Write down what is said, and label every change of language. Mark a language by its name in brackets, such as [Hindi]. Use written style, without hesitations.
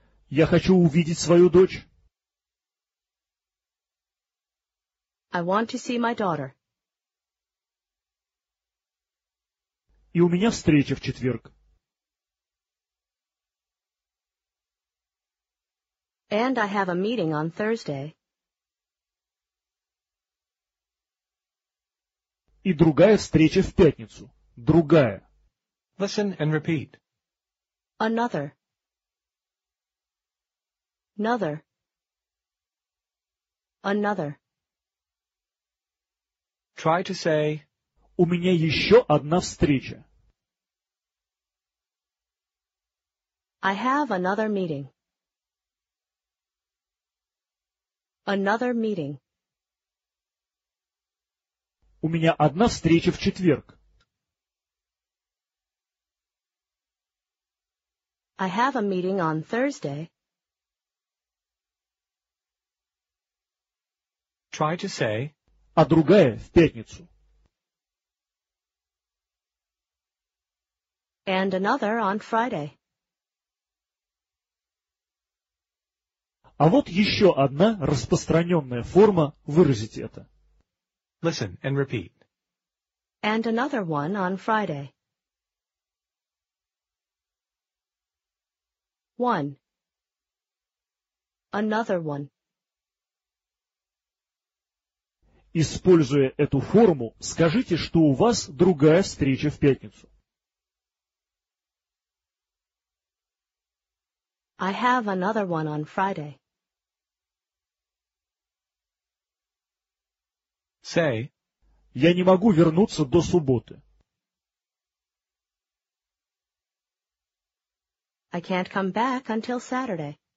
[Russian] Я хочу увидеть свою дочь. [English] I want to see my daughter. [Russian] И у меня встреча в четверг. [English] And I have a meeting on Thursday. [Russian] И другая встреча в пятницу. Другая. [English] Listen and repeat. Another. Another. Another. Try to say. [Russian] У меня еще одна встреча. [English] I have another meeting. Another meeting. [Russian] У меня одна встреча в четверг. [English] I have a meeting on Thursday. Try to say. [Russian] А другая в пятницу. [English] And another on Friday. [Russian] А вот еще одна распространенная форма выразить это. [English] Listen and repeat. And another one on Friday. One. Another one. [Russian] Используя эту форму, скажите, что у вас другая встреча в пятницу. [English] I have another one on Friday. Say, [Russian] я не могу вернуться до субботы. [English] I can't come back until Saturday.